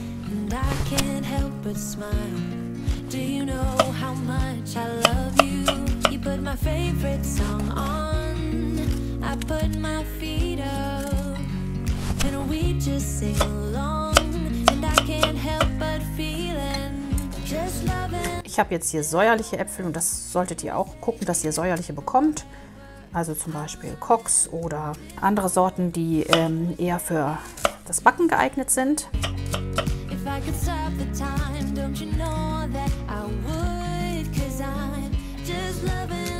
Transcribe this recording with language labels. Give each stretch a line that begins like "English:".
English: And I can't help but smile. Do you know how much I love you? Put my favorite song on, I put my feet up, and we just sing along, and I can't help but feeling just loving.
German: Ich habe jetzt hier säuerliche Äpfel und das solltet ihr auch gucken, dass ihr säuerliche bekommt. Also zum Beispiel Cox oder andere Sorten, die eher für das Backen geeignet sind.
English: If I could stop the time, don't you know that I would, cause I'm just loving.